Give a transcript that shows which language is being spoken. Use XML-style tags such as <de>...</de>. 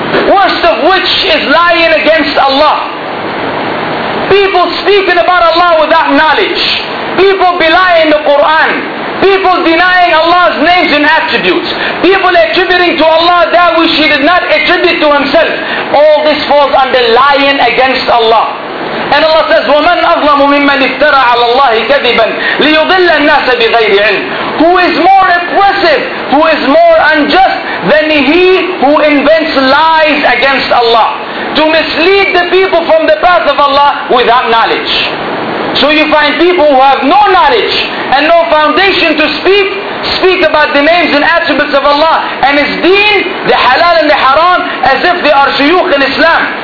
<en>Worst of which is lying against Allah. People speaking about Allah without knowledge. People belying the Quran. People denying Allah's names and attributes. People attributing to Allah that which He did not attribute to Himself. All this falls under lying against Allah. And Allah says,</en> <ar>وَمَنْ أَظْلَمُ مِمَّنِ افْتَرَى عَلَى اللَّهِ كَذِبًا لِيُضِلَّ النَّاسَ بِغَيْرِ عِلْمٍ.</ar> <en>Who is more oppressive, who is more unjust than he who invents lies against Allah to mislead the people from the path of Allah without knowledge. So you find people who have no knowledge and no foundation to speak about the names and attributes of Allah and His deen, the halal and the haram, as if they are shuyukh in Islam.</en>